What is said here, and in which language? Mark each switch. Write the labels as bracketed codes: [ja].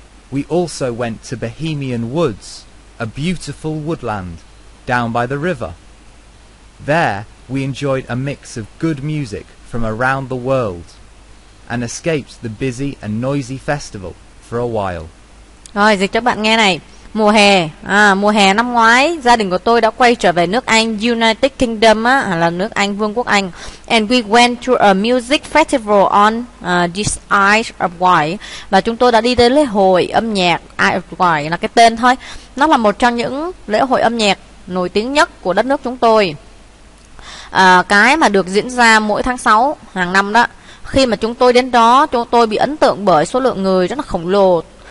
[en] We also went to Bohemian Woods, a beautiful woodland, down by the river. There, we enjoyed a mix of good music from around the world and escaped the busy and noisy festival for a while. [vi] Rồi, dịch cho bạn nghe này. Mùa hè năm ngoái, gia đình của tôi đã quay trở về nước Anh, United Kingdom, là nước Anh, Vương quốc Anh. [en] And we went to a music festival on this Isle of Wight. [vi] Và chúng tôi đã đi tới lễ hội âm nhạc, Isle of Wight là cái tên thôi. Nó là một trong những lễ hội âm nhạc nổi tiếng nhất của đất nước chúng tôi. Cái mà được diễn ra mỗi tháng 6 hàng năm đó. Khi mà chúng tôi đến đó, chúng tôi bị ấn tượng bởi số lượng người rất là khổng lồ.